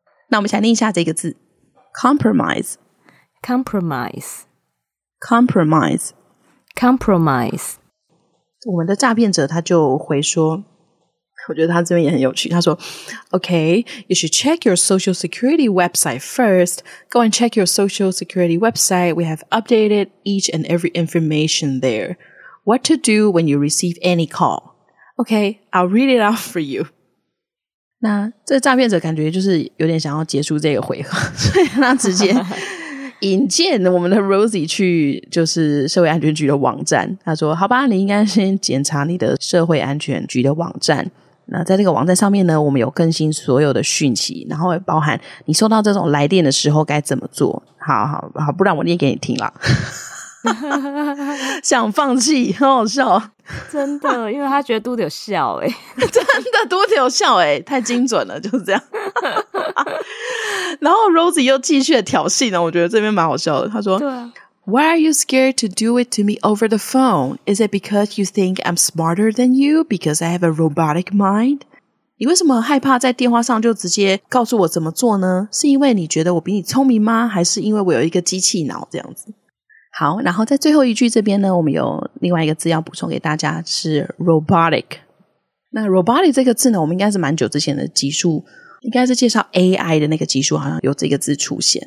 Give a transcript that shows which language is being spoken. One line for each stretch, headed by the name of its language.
Chinese: 那我们想念一下这个字Compromise.
English: Compromise. Compromise. Compromise.
Chinese: 我们的诈骗者他就回说，我觉得他这边也很有趣，他说 Okay, you should check your social security website first.
English: Go and check your social security website. We have updated each and every information there. What to do when you receive any call? Okay, I'll read it out for you.
Chinese: 那这个诈骗者感觉就是有点想要结束这个回合，所以他直接引荐我们的 Rosie 去就是社会安全局的网站。他说好吧，你应该先检查你的社会安全局的网站，那在这个网站上面呢，我们有更新所有的讯息，然后也包含你收到这种来电的时候该怎么做。好好好，不然我念给你听啦。想放弃，很好笑，真的，因为他觉得肚子有笑欸。真的肚子有笑欸，太精准了，就是这样。然后 Rosie 又继续的挑衅呢，我觉得这边蛮好笑的。他说对、
English: Why are you scared to do it to me over the phone? Is it because you think I'm smarter than you? Because I have a robotic mind?
Chinese: 你为什么害怕在电话上就直接告诉我怎么做呢？是因为你觉得我比你聪明吗？还是因为我有一个机器脑这样子？好，然后在最后一句这边呢，我们有另外一个字要补充给大家，是 robotic。那 robotic 这个字呢，我们应该是蛮久之前的集数，应该是介绍 AI 的那个集数好像有这个字出现。